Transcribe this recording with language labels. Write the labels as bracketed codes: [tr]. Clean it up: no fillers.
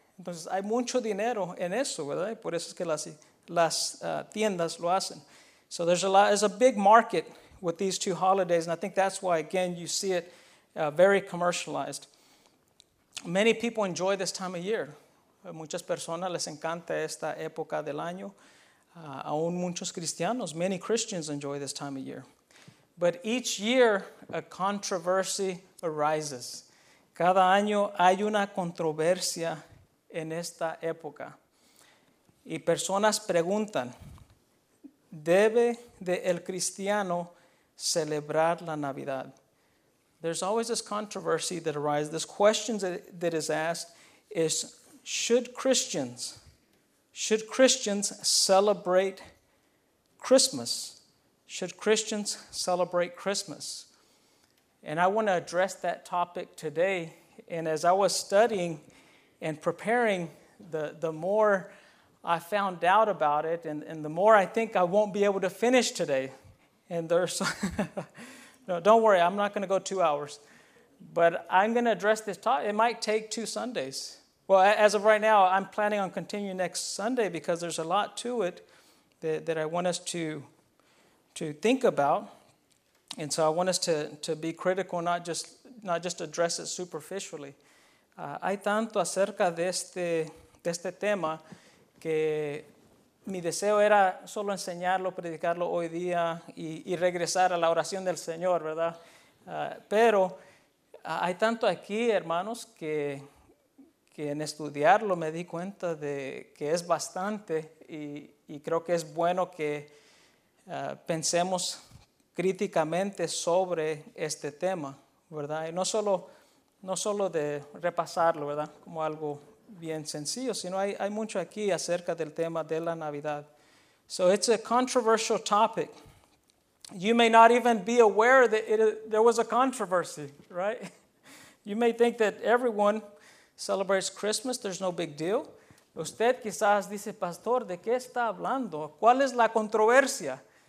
[es] Entonces hay mucho dinero en eso, ¿verdad? Y por eso es que las tiendas lo hacen. [en] So there's a lot, there's a big market with these two holidays, and I think that's why, again, you see it very commercialized. Many people enjoy this time of year. [es] Muchas personas les encanta esta época del año. Aún muchos cristianos, [en] many Christians enjoy this time of year. But each year, a controversy arises. [es] Cada año hay una controversia en esta época. Y personas preguntan, ¿debe de el cristiano celebrar la Navidad? [en] There's always this controversy that arises, this question that is asked is, should Christians celebrate Christmas? Should Christians celebrate Christmas? And I want to address that topic today. And as I was studying and preparing, the more I found out about it, and the more I think I won't be able to finish today. And there's, no, don't worry, I'm not going to go 2 hours. But I'm going to address this topic. It might take 2 Sundays. Well, as of right now, I'm planning on continuing next Sunday because there's a lot to it that I want us to think about. And so I want us to be critical, not just address it superficially. [es] Hay tanto acerca de este tema que mi deseo era solo enseñarlo, predicarlo hoy día y regresar a la oración del Señor, ¿verdad? Pero hay tanto aquí, hermanos, que en estudiarlo me di cuenta de que es bastante y creo que es bueno que pensemos críticamente sobre este tema, ¿verdad? Y no solo de repasarlo, ¿verdad? Como algo bien sencillo, sino hay mucho aquí acerca del tema de la Navidad. [en] So it's a controversial topic. You may not even be aware that there was a controversy, right? You may think that everyone celebrates Christmas, there's no big deal. [es] Usted quizás dice, pastor, ¿de qué está hablando? ¿Cuál es la controversia?